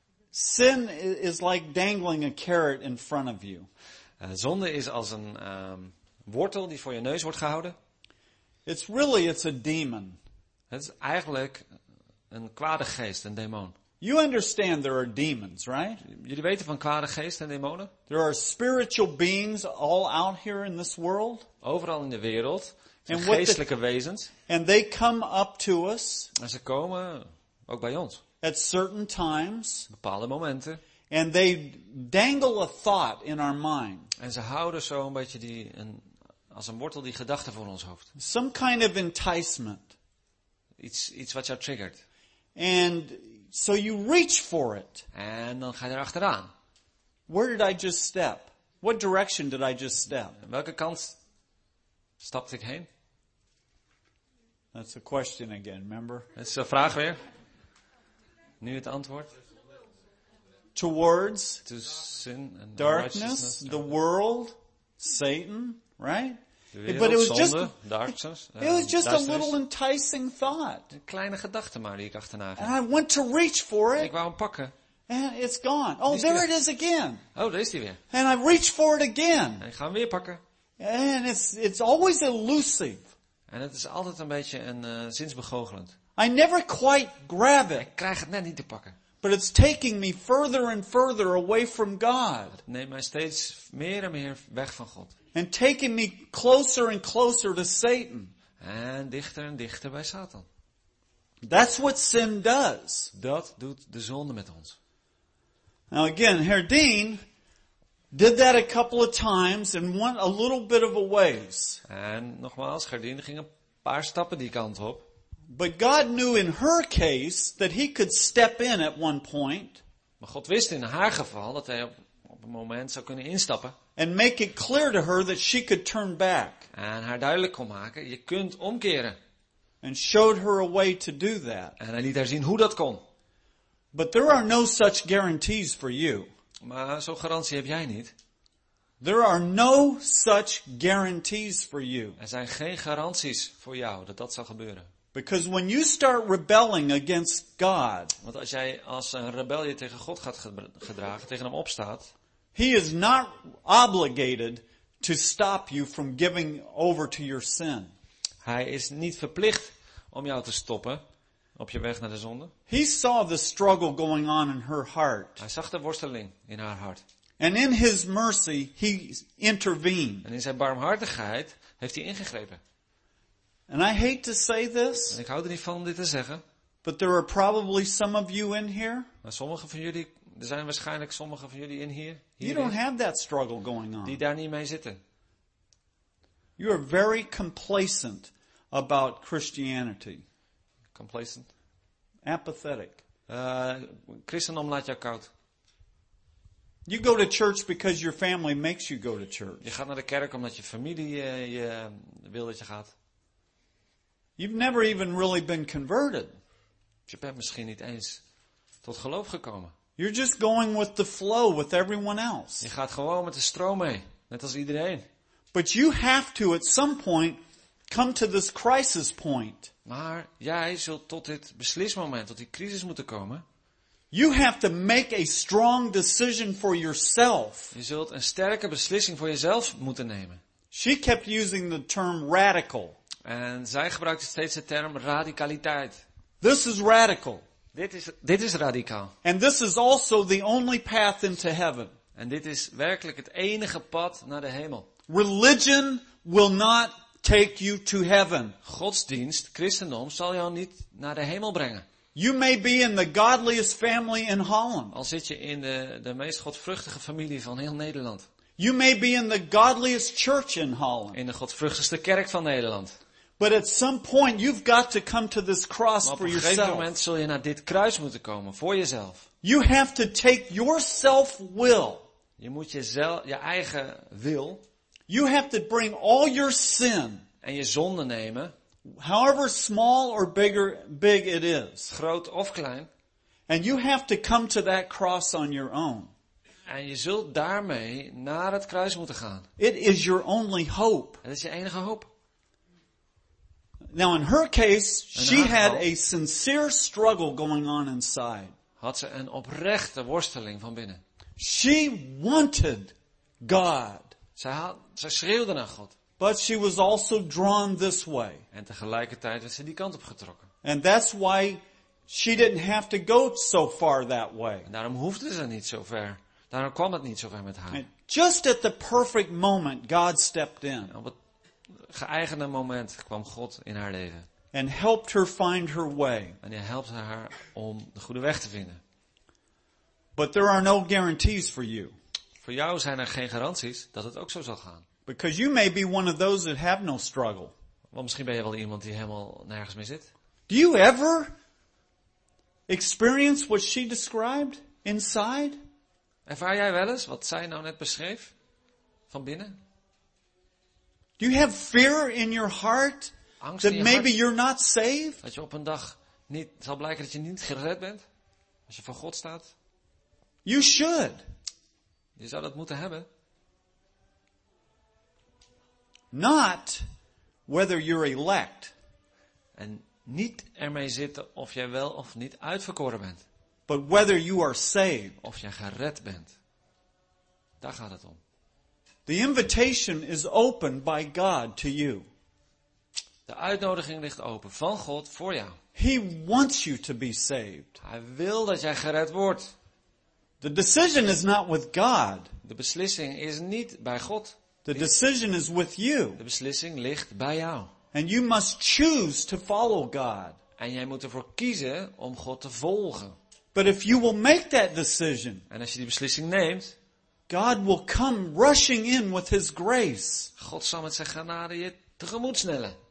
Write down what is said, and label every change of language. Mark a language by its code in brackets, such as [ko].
[en] Sin is like dangling a carrot in front of you. [nl] Zonde is als een wortel die voor je neus wordt gehouden. [en] It's a demon. [nl] Het is eigenlijk een kwade geest, een demon. [en] You understand there are demons, right? [nl] Jullie weten van kwade geesten en demonen? [en] There are spiritual beings all out here in this world. [nl] Overal in de wereld. En geestelijke wezens. [en] And they come up to us. [nl] En ze komen ook bij ons. [en] At certain times. [nl] Bepaalde momenten. [en] And they dangle a thought in our mind. [nl] En ze houden zo een beetje die een, als een wortel die gedachte voor ons hoofd. [en] Some kind of enticement. [nl] Iets wat jou triggert. [en] And so you reach for it. [nl] En dan ga je er achteraan. [en] Where did I just step? What direction did I just step? [nl] En welke kant stapte ik heen? [en] That's a question again, remember? [nl] Dat is de vraag weer. Nu het antwoord. [en] Towards to sin and darkness, the world, Satan, right? Wereld, but it was just zonde, darkness, it was just a little enticing thought. [nl] Een kleine gedachte maar die ik achterna ging. [en] And I went to reach for it. [nl] Ik wou hem pakken. [en] And it's gone. Oh, there it is again. [nl] Oh, daar is hij weer. [en] And I reach for it again. [nl] En ik ga hem weer pakken. [en] And it's always elusive. [nl] En het is altijd een beetje een zinsbegoochelend. [en] I never quite grab it. [nl] Ik krijg het net niet te pakken. [en] But it's taking me further and further away from God. [nl] Het neemt mij steeds meer en meer weg van God. [en] And taking me closer and closer to Satan. [nl] En dichter bij Satan. [en] That's what sin does. [nl] Dat doet de zonde met ons. [en] Now again, Herr Dean did that a couple of times and went a little bit of a ways. [nl] En nogmaals, Herr Dean ging een paar stappen die kant op. [en] But God knew in her case that he could step in at one point. [nl] Maar God wist in haar geval dat hij op een moment zou kunnen instappen. [en] And make it clear to her that she could turn back. [nl] En haar duidelijk kon maken, je kunt omkeren. [en] And showed her a way to do that. [nl] En hij liet haar zien hoe dat kon. [en] But there are no such guarantees for you. [nl] Maar zo'n garantie heb jij niet. [en] There are no such guarantees for you. [nl] Er zijn geen garanties voor jou dat dat zal gebeuren. [en] Because when you start rebelling against God, [nl] want als jij als een rebellie tegen God gaat gedragen, tegen hem opstaat, [en] he is not obligated to stop you from giving over to your sin. [nl] Hij is niet verplicht om jou te stoppen op je weg naar de zonde. [en] He saw the struggle going on in her heart. [nl] Hij zag de worsteling in haar hart. [en] And in his mercy, he intervened. [nl] En in zijn barmhartigheid heeft hij ingegrepen. [en] And I hate to say this. [nl] En ik hou er niet van om dit te zeggen. [en] But there are probably some of you in here. [nl] Maar sommige van jullie, er zijn waarschijnlijk sommige van jullie in hier. [en] You don't have that struggle going on. [nl] Die daar niet mee zitten. [en] You are very complacent about Christianity. Complacent. Apathetic. [nl] Christendom laat jou koud. [en] You go to church because your family makes you go to church. [nl] Je gaat naar de kerk omdat je familie je wil dat je gaat. [en] You've never even really been converted. [nl] Je bent misschien niet eens tot geloof gekomen. [en] You're just going with the flow with everyone else. [nl] Je gaat gewoon met de stroom mee, net als iedereen. [en] But you have to at some point come to this crisis point. [nl] Maar jij zult tot dit beslismoment, tot die crisis moeten komen. [en] You have to make a strong decision for yourself. [nl] Je zult een sterke beslissing voor jezelf moeten nemen. [en] She kept using the term radical. [nl] En zij gebruikt steeds de term radicaliteit. [en] This is radical. [nl] Dit is radicaal. [en] And this is also the only path into heaven. [nl] En dit is werkelijk het enige pad naar de hemel. [en] Religion will not take you to heaven. [nl] Godsdienst, christendom, zal jou niet naar de hemel brengen. [en] You may be in the godliest family in Holland. [nl] Al zit je in de meest godvruchtige familie van heel Nederland. [en] You may be in the godliest church in Holland. [nl] In de godvruchtigste kerk van Nederland. [en] But at some point you've got to come to this cross for yourself. [nl] Op een gegeven moment zul je naar dit kruis moeten komen voor jezelf. [en] You have to take your self-will. [nl] Je moet je eigen wil. [en] You have to bring all your sin. [nl] En je zonde nemen. [en] However small or big it is. [nl] Groot of klein. [en] And you have to come to that cross on your own. [nl] En je zult daarmee naar het kruis moeten gaan. [en] It is your only hope. [nl] Het is je enige hoop. [en] Now in her case, she had a sincere struggle going on inside. [nl] Had ze een oprechte worsteling van binnen. [en] She wanted God. [nl] Zij schreeuwde naar God. [en] But she was also drawn this way. [nl] En tegelijkertijd werd ze die kant op getrokken. [en] And that's why she didn't have to go so far that way. [nl] En daarom hoefde ze niet zo ver. Daarom kwam het niet zo ver met haar. [en] And just at the perfect moment, God stepped in. [nl] Op het geëigende moment kwam God in haar leven. [en] And helped her find her way. [nl] En hij helpt haar om de goede weg te vinden. [en] But there are no guarantees for you. [nl] Voor jou zijn er geen garanties dat het ook zo zal gaan. [en] Because you may be one of those that have no struggle. [nl] Want misschien ben je wel iemand die helemaal nergens meer zit. [en] Do you ever experience what she described inside? [nl] Ervaar jij wel eens wat zij nou net beschreef van binnen? [en] Do you have fear in your heart that maybe you're not saved? [nl] Dat je op een dag niet zal blijken dat je niet gered bent als je voor God staat. [en] You should. [nl] Je zou dat moeten hebben. [en] Not whether you're elect. [nl] En niet ermee zitten of jij wel of niet uitverkoren bent. [en] But whether you are saved. [nl] Of jij gered bent. Daar gaat het om. [en] The invitation is open by God to you. [nl] De uitnodiging ligt open van God voor jou. [en] He wants you to be saved. [nl] Hij wil dat jij gered wordt. [en] The decision is not with God. [nl] De beslissing is niet bij God. [en] The decision is with you. [nl] De beslissing ligt bij jou. [en] And you must choose to follow God. [nl] En jij moet ervoor kiezen om God te volgen. [en] But if you will make that decision, [nl] en als je die beslissing neemt, [en] God will come rushing in with his grace. [nl] God zal met zijn genade je tegemoet snellen.